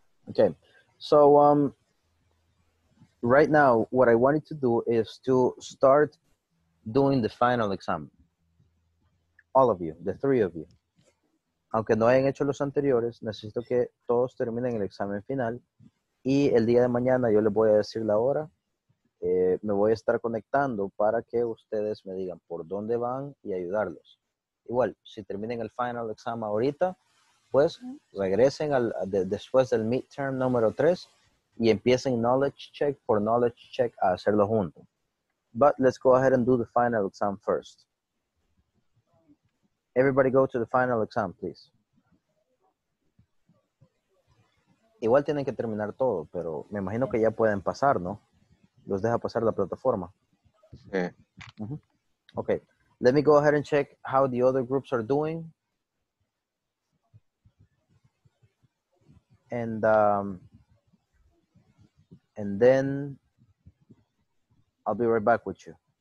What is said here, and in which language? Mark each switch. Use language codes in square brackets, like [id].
[en] Okay. So, right now, what I wanted to do is to start doing the final exam. All of you, the three of you. [es] Aunque no hayan hecho los anteriores, necesito que todos terminen el examen final. Y el día de mañana yo les voy a decir la hora. Me voy a estar conectando para que ustedes me digan por dónde van y ayudarlos. Igual, si terminen el final exam ahorita, pues regresen al, después del midterm número 3. Y empiecen knowledge check por knowledge check a hacerlo junto. But let's go ahead and do the final exam first. Everybody go to the final exam, please. Igual tienen que terminar todo, pero me imagino que ya pueden pasar, ¿no? Los deja pasar la plataforma. Sí. Mm-hmm. [en] Okay. Let me go ahead and check how the other groups are doing. And then I'll be right back with you.